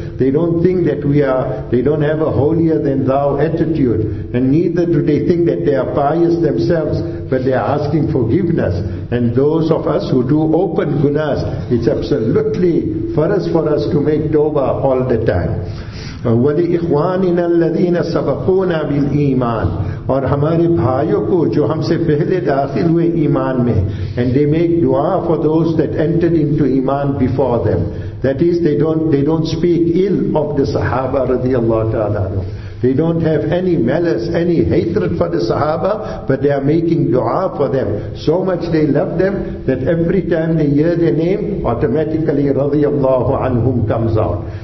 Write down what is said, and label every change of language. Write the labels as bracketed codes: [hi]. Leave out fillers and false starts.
[en] They don't think that they don't have a holier than thou attitude. And neither do they think that they are pious themselves, but they are asking forgiveness. And those of us who do open gunas, it's absolutely faraz for us to make tawbah all the time. [ar] وَلِإِخْوَانِنَا الَّذِينَ سَبَقُونَا بِالْإِيمَانِ [ur] اور ہمارے بھائیوں کو جو ہم سے پہلے داخل ہوئے ایمان میں. [en] And they make dua for those that entered into iman before them. That is, they don't speak ill of the Sahaba رضی اللہ تعالیٰ عنہ. They don't have any malice, any hatred for the Sahaba, but they are making dua for them. So much they love them that every time they hear their name, automatically radiyallahu anhum comes out.